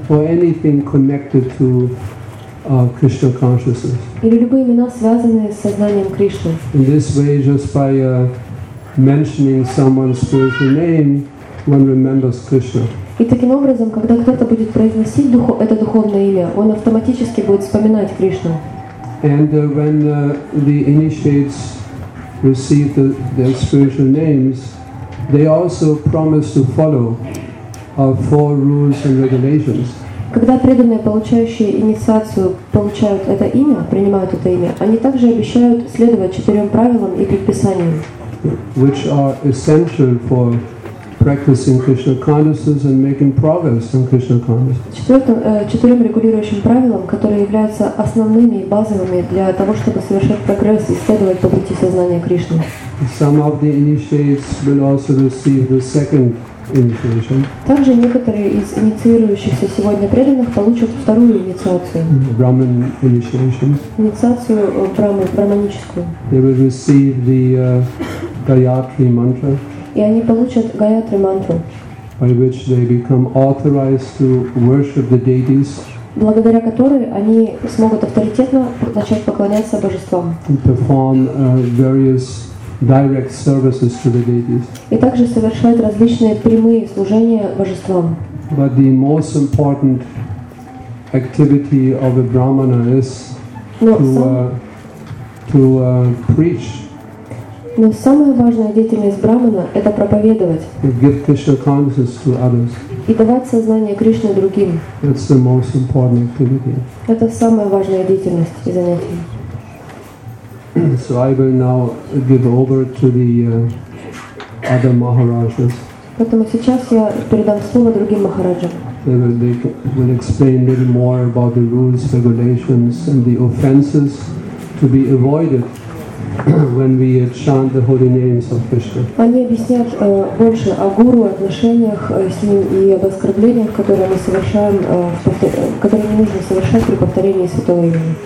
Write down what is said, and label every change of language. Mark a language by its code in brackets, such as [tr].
[en] Or anything connected to Krishna consciousness. [ru] Или любые имена, связанные с сознанием Кришны. [en] In this way, just by mentioning someone's spiritual name, one remembers Krishna. [ru] И таким образом, когда кто-то будет произносить это духовное имя, он автоматически будет вспоминать Кришну. [en] And when the initiates receive their spiritual names, they also promise to follow four rules and regulations. [ru] Когда преданные, получающие инициацию, получают это имя, принимают это имя, они также обещают следовать четырем правилам и предписаниям. [en] Which are essential for practicing Krishna consciousness and making progress in Krishna consciousness. [ru] Четырем регулирующим правилам, которые являются основными и базовыми для того, чтобы совершать прогресс и следовать по пути сознания Кришны. [en] Some of the initiates will also receive the second initiation. [ru] Также некоторые из инициирующихся сегодня преданных получат вторую инициацию. [en] Brahman initiation. [ru] Инициацию брахманическую. [en] They will receive the Gayatri mantra. [ru] И они получат Гаятри мантру. [en] By which they become authorized to worship the deities. [ru] Благодаря которой они смогут авторитетно начать поклоняться божествам. [en] And perform various direct services to the deities. [ru] И также совершать различные прямые служения божествам. [en] But the most important activity of a brahmana is to preach. [ru] Но самая важная деятельность брахмана – это проповедовать. [en] Give Krishna consciousness to others. [ru] И давать сознание Кришны другим. [en] That's the most important activity. [ru] Это самая важная деятельность и занятие. [en] So I will now give over to the other maharajas. [ru] Поэтому сейчас я передам слово другим махараджам. [en] They will explain a little more about the rules, regulations, and the offenses to be avoided. When we chant the holy names of Krishna. [ru] Они объяснят больше о гуру, отношениях с ним и об оскорблениях, которые мы совершаем, которые не нужно совершать при повторении святого имени.